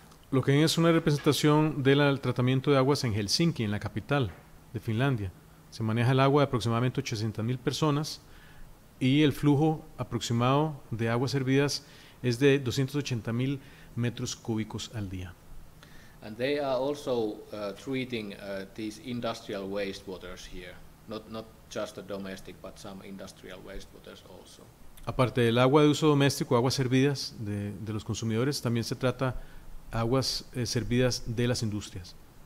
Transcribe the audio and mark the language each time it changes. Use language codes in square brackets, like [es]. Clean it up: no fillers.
[es] Lo que es una representación del tratamiento de aguas en Helsinki, en la capital de Finlandia. Se maneja el agua de aproximadamente 800,000 personas, y el flujo aproximado de aguas hervidas es de 280,000 metros cúbicos al día. [en] And they are also treating these industrial wastewaters here, not just the domestic, but some industrial wastewaters also. [es] Aparte del agua de uso doméstico, aguas hervidas de los consumidores, también se trata aguas servidas de las industrias.